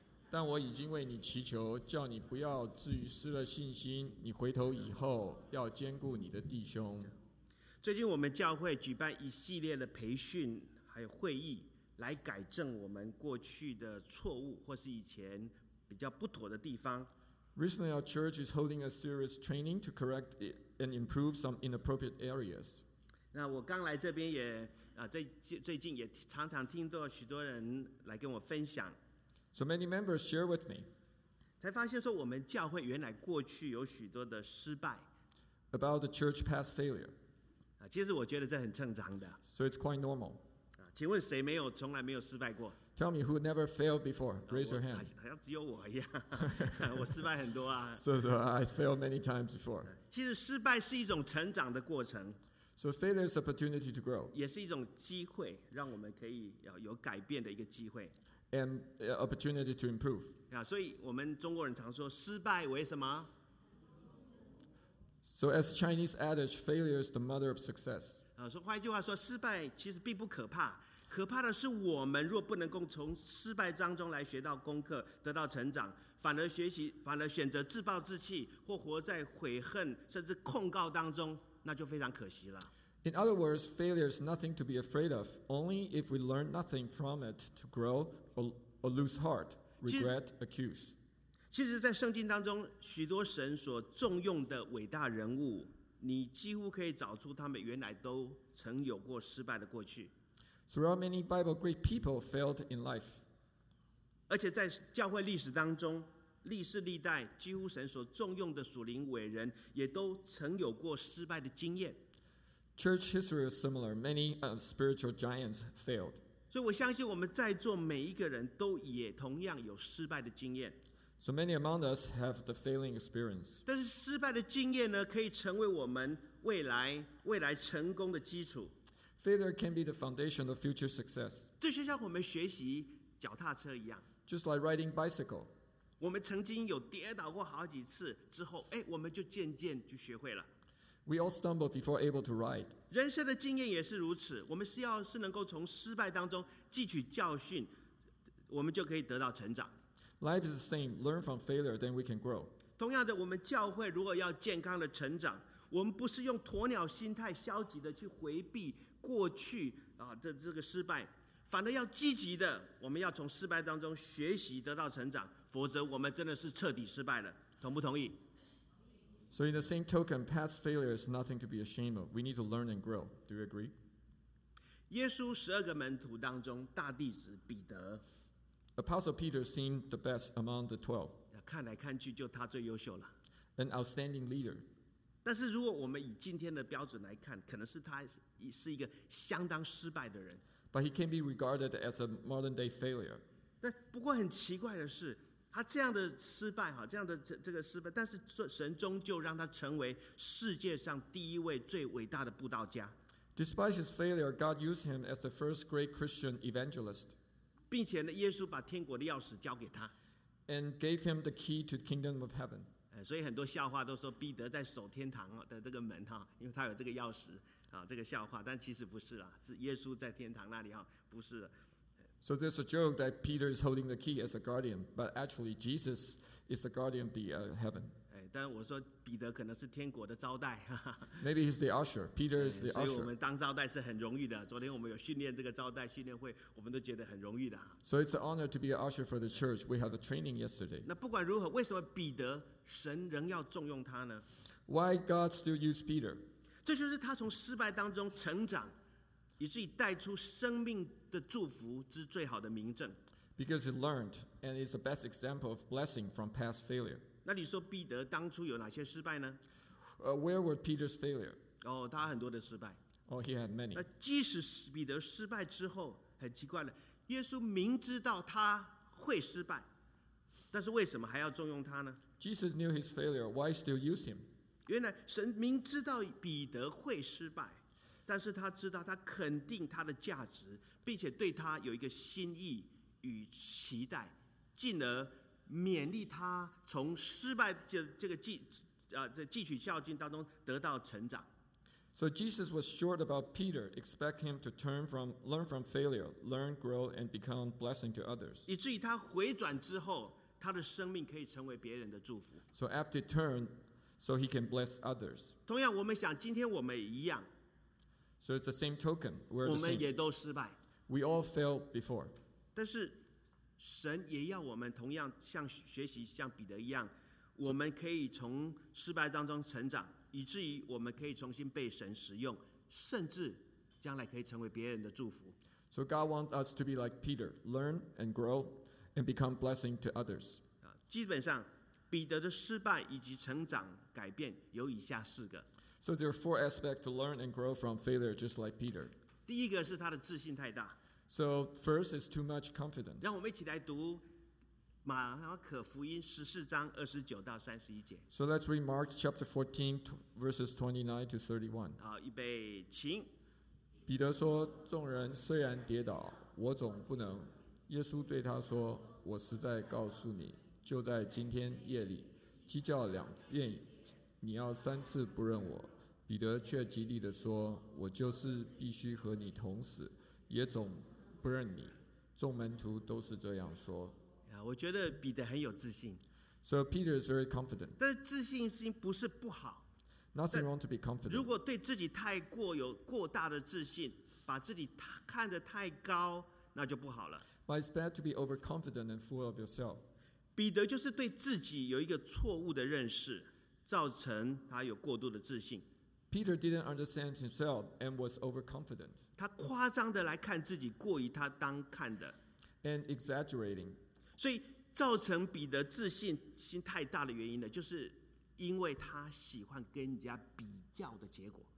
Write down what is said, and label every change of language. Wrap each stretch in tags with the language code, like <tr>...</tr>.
<zh>但我已经为你祈求，叫你不要至于失了信心。你回头以后，要兼顾你的弟兄。最近我们教会举办一系列的培训，还有会议，来改正我们过去的错误，或是以前比较不妥的地方。</zh> <en>Recently, our church is holding a serious training to correct and improve some inappropriate areas.</en> <zh>那我刚来这边也最近也常常听到许多人来跟我分享。</zh> <en>So many members share with me.</en> <zh>才发现说我们教会原来过去有许多的失败。</zh> <en>About the church past failure.</en> <zh>其实我觉得这很正常的。</zh> <en>So it's quite normal.</en> <zh>请问谁没有从来没有失败过？</zh> <en>Tell me who never failed before. Raise your hand.</en> <zh>好像只有我一样，我失败很多啊。</zh> <en>So I failed many times before.</en> <zh>其实失败是一种成长的过程。</zh> <en>So failure is an opportunity to grow.</en> <zh>也是一种机会，让我们可以有改变的一个机会。</zh> <en>And opportunity to improve.</en> <zh>所以我们中国人常说失败为什么？</zh> <en>So as Chinese adage, failure is the mother of success.</en> <zh>所以换一句话说，失败其实并不可怕，可怕的是我们若不能够从失败当中来学到功课，得到成长，反而选择自暴自弃，或活在悔恨甚至控告当中。那就非常可惜了。</zh> <en>In other words, failure is nothing to be afraid of. Only if we learn nothing from it to grow or lose heart, regret, accuse.</en> <zh>其实，在圣经当中，许多神所重用的伟大人物，你几乎可以找出他们原来都曾有过失败的过去。</zh> <en>Throughout many Bible, great people failed in life.</en> <zh>而且在教会历史当中。历世历代几乎神所重用的属灵伟人也都曾有过失败的经验。</zh> <en>Church history is similar. Many spiritual giants failed.</en> <zh>所以我相信我们在座每一个人都也同样有失败的经验。</zh> <en>So many among us have the failing experience.</en> <zh>但是失败的经验呢，可以成为我们未来成功的基础。</zh> <en>Failure can be the foundation of future success.</en> <zh>这就像我们学习脚踏车一样。</zh> <en>Just like riding bicycle.</en> <zh>我们曾经有跌倒过好几次之后，我们就渐渐就学会了。</zh> <en>We all stumbled before able to ride.</en> <zh>人生的经验也是如此，我们是能够从失败当中汲取教训，我们就可以得到成长。</zh> <en>Life is the same. Learn from failure, then we can grow.</en> <zh>同样的，我们教会如果要健康的成长，我们不是用鸵鸟心态消极的去回避过去的这个失败，反而要积极的，我们要从失败当中学习得到成长。否则我们真的是彻底失败了，同不同意？</zh> <en>So in the same token, past failure is nothing to be ashamed of. We need to learn and grow. Do you agree?</en> <zh>耶稣十二个门徒当中，大弟子彼得。</zh> <en>Apostle Peter seemed the best among the 12.</en> <zh>看来看去就他最优秀了。</zh> <en>An outstanding leader.</en> <zh>但是如果我们以今天的标准来看，可能是他是一个相当失败的人。</zh> <en>But he can be regarded as a modern day failure.</en> <zh>但不过很奇怪的是他这样的失败，这样的这个失败，但是神终究让他成为世界上第一位最伟大的布道家。</zh> <en>Despite his failure, God used him as the first great Christian evangelist.</en> <zh>并且呢，耶稣把天国的钥匙交给他。</zh> <en>And gave him the key to the kingdom of heaven.</en> <zh>所以很多笑话都说彼得在守天堂的这个门，因为他有这个钥匙，这个笑话，但其实不是啦，是耶稣在天堂那里，不是</zh> <en>So there's a joke that Peter is holding the key as a guardian, but actually Jesus is the guardian of the heaven.</en> <zh>但我说彼得可能是天国的招待。</zh> <en>Maybe he's the usher. Peter is the usher.</en> <zh>所以我们当招待是很荣誉的。昨天我们有训练这个招待训练会，我们都觉得很荣誉的。</zh> <en>So it's an honor to be an usher for the church. We had the training yesterday.</en> <zh>那不管如何，为什么彼得神仍要重用他呢？</zh> <en>Why God still use Peter?</en> <zh>这就是他从失败当中成长，以至于带出生命的祝福之最好的明证。</zh> <en>Because he learned, and is the best example of blessing from past failure.</en> <zh>那你说彼得当初有哪些失败呢？</zh> <en>Where were Peter's failure?</en> <zh>哦，他很多的失败。</zh> <en>Oh, he had many.</en> <zh>那即使彼得失败之后，很奇怪了，耶稣明知道他会失败，但是为什么还要重用他呢？</zh> <en>Jesus knew his failure. Why still use him?</en> <zh>原来神明知道彼得会失败。但是他知道他肯定他的价值，并且对他有一个心意与期待，进而勉励他从失败的这个汲取教训当中得到成长。</zh> <en>So Jesus was sure about Peter, expect him to learn from failure, learn, grow, and become blessing to others.</en> <zh>以至于他回转之后，他的生命可以成为别人的祝福。</zh> <en>So after turn, so he can bless others.</en> <zh>同样，我们想今天我们一样。</zh> <en>So it's the same token. We're</en> <zh>我们也都失败。</zh> <en>We all failed before.</en> <zh>但是神也要我们同样像学习像彼得一样，我们可以从失败当中成长，以至于我们可以重新被神使用，甚至将来可以成为别人的祝福。</zh> <en>So God wants us to be like Peter, learn and grow, and become blessing to others.</en> <zh>基本上，彼得的失败以及成长改变有以下四个。</zh> <en>So there are four aspects to learn and grow from failure, just like Peter.</en> <zh>第一个是他的自信太大。</zh> <en>So first is too much confidence.</en> <zh>让我们一起来读马可福音十四章二十九到三十一节。</zh> <en>So let's read Mark chapter 14, verses 29 to 31.</en> <zh>好，预备，请。彼得说：“众人虽然跌倒，我总不能。” 耶稣对他说：“我实在告诉你，就在今天夜里，鸡叫两遍。” 你要三次不认我，彼得却极力地说：“我就是必须和你同死，也总不认你。” 众门徒都是这样说。 Yeah, 我觉得彼得很有自信。</zh> <en>So Peter is very confident.</en> <zh>但自信心不是不好。</zh> <en>Nothing wrong to be confident.</en> <zh>如果对自己太过有过大的自信，把自己看得太高，那就不好了。</zh> <en>But it's bad to be overconfident and full of yourself.</en> <zh>彼得就是对自己有一个错误的认识。造成他有过度的自信。</zh> <en>Peter didn't understand himself and was overconfident.</en> <zh>他夸张的来看自己，过于他当看的。</zh> <en>And exaggerating.</en> <zh>所以造成彼得自信心太大的原因呢，就是因为他喜欢跟人家比较的结果。</zh>